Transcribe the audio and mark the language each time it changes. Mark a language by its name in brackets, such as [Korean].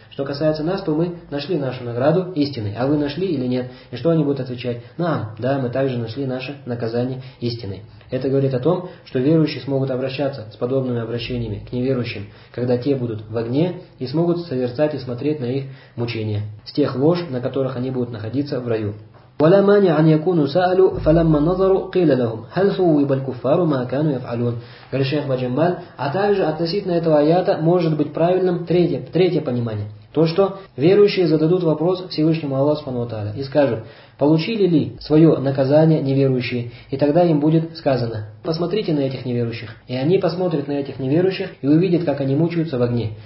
[Russian] Что касается нас, то мы нашли нашу награду истиной. А вы нашли или нет? И что они будут отвечать? Нам. Да, мы также нашли наше наказание истиной. Это говорит о том, что верующие смогут обращаться с подобными обращениями к неверующим, когда те будут в огне, и смогут созерцать и смотреть на их мучения, с тех лож, на которых они будут находиться в раю. [Arabic] ولا مانع ان يكونوا سالوا فلما نظروا قيل لهم هل ثوب الكفار ما كانوا يفعلون. [Russian] Говорит шейх Маджамаль, а также относительно этого аята может быть правильным третье понимание. То, что верующие зададут вопрос Всевышнему Аллаху и скажут: получили ли свое наказание неверующие? И тогда им будет сказано: посмотрите на этих неверующих. И они посмотрят на этих неверующих и увидят, как они мучаются в огне.